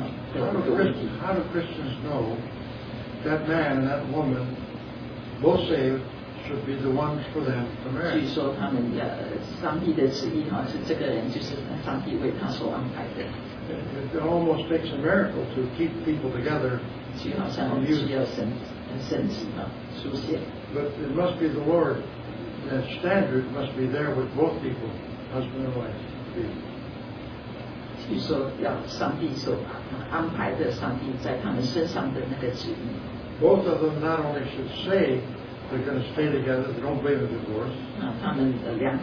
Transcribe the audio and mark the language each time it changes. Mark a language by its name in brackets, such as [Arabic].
[English] How do Christians know that man and that woman, both saved, should be the ones for them to marry? [Chinese] 据说他们上帝的旨意是这个人就是上帝为他所安排的。 [English] It almost takes a miracle to keep people together. [Chinese] 就好像需要神神迹出现。 [English] But it must be the Lord. The standard must be there with both people, husband and wife. Both of them not only should say they're going to stay together, they don't believe in divorce.